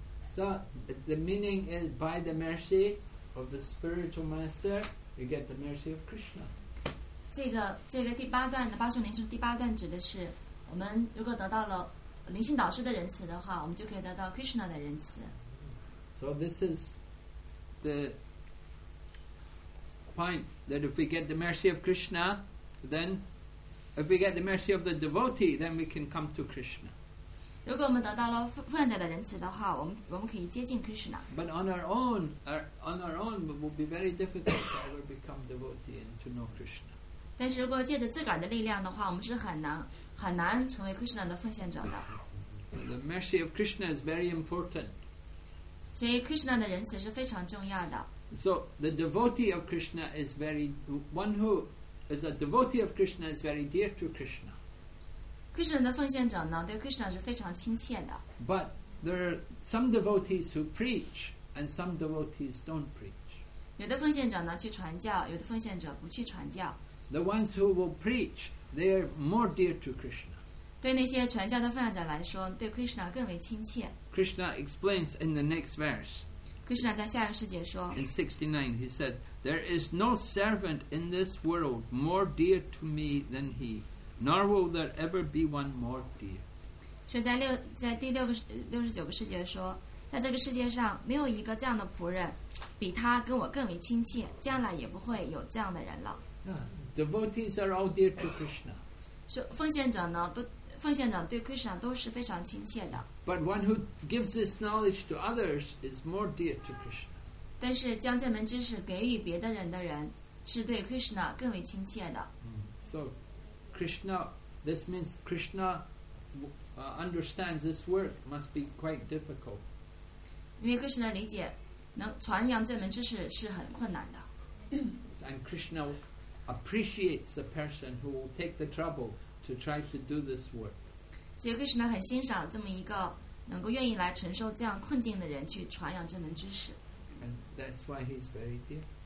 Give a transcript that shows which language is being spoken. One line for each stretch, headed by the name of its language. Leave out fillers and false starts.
English: So the meaning is by the mercy of the spiritual master you get the mercy of Krishna.
Chinese: 这个第八段的八颂灵师第八段指的是我们如果得到了灵性导师的仁慈的话我们就可以得到 Krishna 的仁慈。
English: So this is the point that if we get the mercy of Krishna, then if we get the mercy of the devotee, then we can come to Krishna.
Chinese: 如果我们得到了奉献者的仁慈的话，我们可以接近 Krishna.
English: But on our own, it will be very difficult to ever become devotee and to know Krishna.
Chinese: 但是如果借着自个儿的力量的话，我们是很难成为 Krishna 的奉献者的。
English: The mercy of Krishna is very important.
Chinese: 所以 Krishna 的仁慈是非常重要的。
English: So the devotee of Krishna is very one who is a devotee of Krishna is very dear to Krishna.
Chinese: Krishna 的奉献者呢，对 Krishna 是非常亲切的。
English: But there are some devotees who preach and some devotees don't preach.
Chinese: 有的奉献者呢去传教，有的奉献者不去传教。
English: The ones who will preach, they are more dear to Krishna.
Chinese: 对那些传教的奉献者来说，对 Krishna 更为亲切。
English: Krishna explains in the next verse.
Chinese: Krishna 在下一个世界说。
English: In 69, he said, "There is no servant in this world more dear to me than he, nor will there ever be one more dear."
Chinese: 说在第六个69个世界说，在这个世界上没有一个这样的仆人比他跟我更为亲切，将来也不会有这样的人了。
English: Devotees are all dear to Krishna.
Chinese: 奉献者呢，都奉献者对 Krishna 都是非常亲切的。
English: But one who gives this knowledge to others is more dear to Krishna.
Chinese: 但是将这门知识给予别的人的人是对 Krishna 更为亲切的。
English: So Krishna, this means Krishna understands this work must be quite difficult.
Chinese: 因为 Krishna 理解能传扬这门知识是很困难的。
English: And Krishna appreciates the person who will take the trouble to try to do this work.
Chinese: 所以 Krishna 很欣赏这么一个能够愿意来承受这样困境的人去传扬这门知识。
English: And that's why he's very dear.